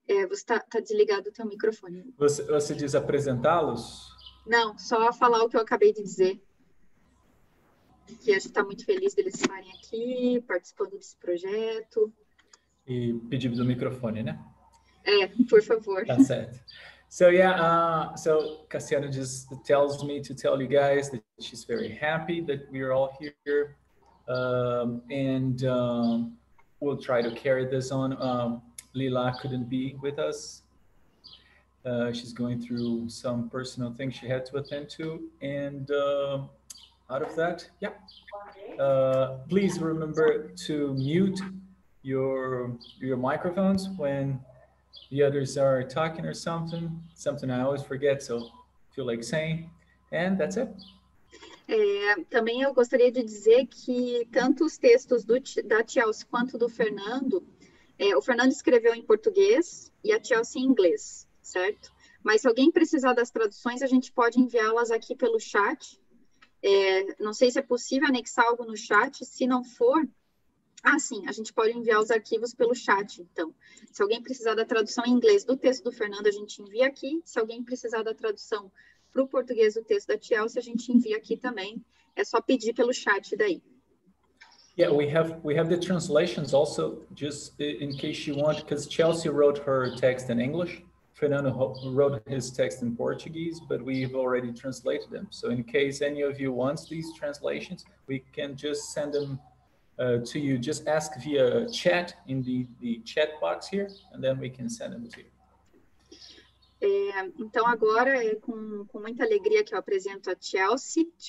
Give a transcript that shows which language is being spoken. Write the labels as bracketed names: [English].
[Portuguese] Você tá desligado o teu microfone. Você diz apresentá-los? Não, só falar o que eu acabei de dizer. Que a gente está muito feliz deles estarem aqui, participando desse projeto. E pedido do microfone, né? Por favor. Tá certo. [English] So Cassiano just tells me to tell you guys that she's very happy that we're all here, and we'll try to carry this on. Lila couldn't be with us. She's going through some personal things she had to attend to, and out of that, yeah. Please remember to mute your microphones when the others are talking or something. Something I always forget, so feel like saying. And that's it. [Portuguese] Também eu gostaria de dizer que tanto os textos da Chelsea quanto do Fernando, o Fernando escreveu em português e a Chelsea em inglês, certo? Mas se alguém precisar das traduções, a gente pode enviá-las aqui pelo chat. Não sei se é possível anexar algo no chat. Se não for, sim, a gente pode enviar os arquivos pelo chat. Então, se alguém precisar da tradução em inglês do texto do Fernando, a gente envia aqui. Se alguém precisar da tradução para o português do texto da Chelsea, a gente envia aqui também. É só pedir pelo chat daí. [English] Yeah, we have the translations also, just in case you want, because Chelsea wrote her text in English. Fernando wrote his text in Portuguese, but we've already translated them. So in case any of you wants these translations, we can just send them to you. Just ask via chat in the chat box here, and then we can send them to you. [Portuguese] Então agora é com muita alegria que eu apresento a Chelsea.